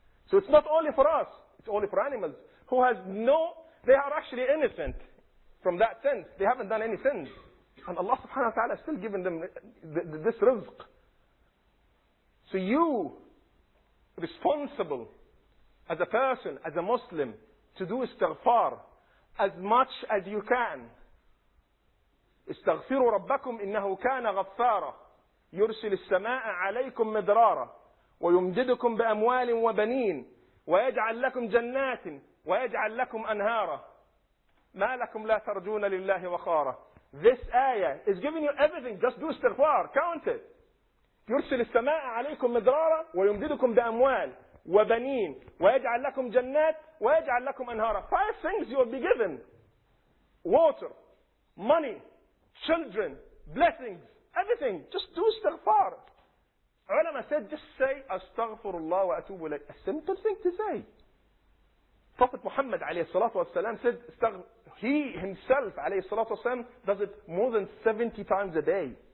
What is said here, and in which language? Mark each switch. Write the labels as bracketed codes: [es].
[en] So it's not only for us, it's only for animals, who has no, they are actually innocent from that sense. They haven't done any sins. And Allah subhanahu wa ta'ala has still given them this rizq. So you, responsible as a person, as a Muslim, to do istighfar as much as you can. [ar] استغفروا ربكم إنه كان غفارا يرسل السماء عليكم مدرارا ويمددكم بأموال وبنين ويجعل لكم جنات ويجعل لكم أنهارا ما لكم لا ترجون لله وقارا. [en] This ayah is giving you everything. Just do istighfar. Count it. [ar] يرسل السماء عليكم مدرارا ويمددكم بأموال وبنين ويجعل لكم جنات ويجعل لكم أنهارا. [en] Five things you will be given. Water, money, children, blessings, everything. Just do istighfar. Ulama said, just say, astaghfirullah wa atubu ilayk. A simple thing to say. Prophet Muhammad alayhi salatu wa salam said, he himself alayhi salatu wa salam does it more than 70 times a day.